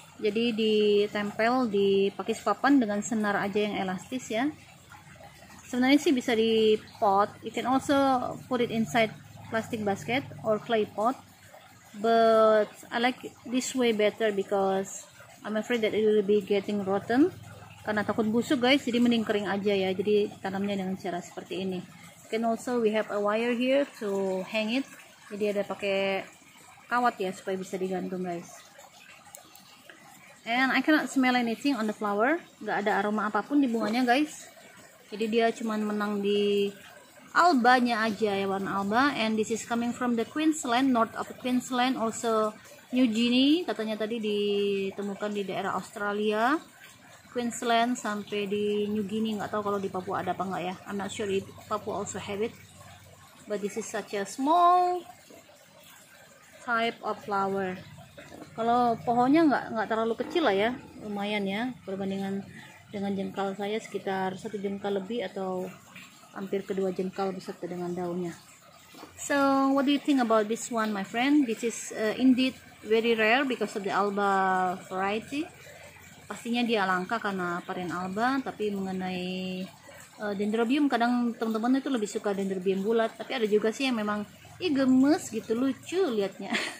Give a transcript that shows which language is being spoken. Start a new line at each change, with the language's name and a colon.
Indonesian: Jadi ditempel, dipakai sepapan dengan senar aja yang elastis ya. Sebenarnya sih bisa di pot.
English: You can also put it inside plastic basket or clay pot, but I like this way better because I'm afraid that it will be getting rotten.
Indonesian: Karena takut busuk guys, jadi mending kering aja ya. Jadi tanamnya dengan cara seperti ini.
English: Can also we have a wire here to hang it.
Indonesian: Jadi ada pakai kawat ya supaya bisa digantung guys.
English: And I cannot smell anything on the flower.
Indonesian: Gak ada aroma apapun di bunganya guys. Jadi dia cuman menang di albanya aja ya, warna alba.
English: And this is coming from the Queensland, north of Queensland, also New Guinea.
Indonesian: Katanya tadi ditemukan di daerah Australia, Queensland sampai di New Guinea. Gak tahu kalau di Papua ada apa enggak ya.
English: I'm not sure if Papua also have it, but this is such a small type of flower.
Indonesian: Kalau pohonnya gak terlalu kecil lah ya, lumayan ya perbandingan dengan jengkal saya, sekitar 1 jengkal lebih atau hampir kedua jengkal beserta dengan daunnya.
English: So, what do you think about this one, my friend? This is indeed very rare because of the alba variety.
Indonesian: Pastinya dia langka karena varian alba, tapi mengenai dendrobium, kadang teman-teman itu lebih suka dendrobium bulat, tapi ada juga sih yang memang gemes gitu, lucu liatnya.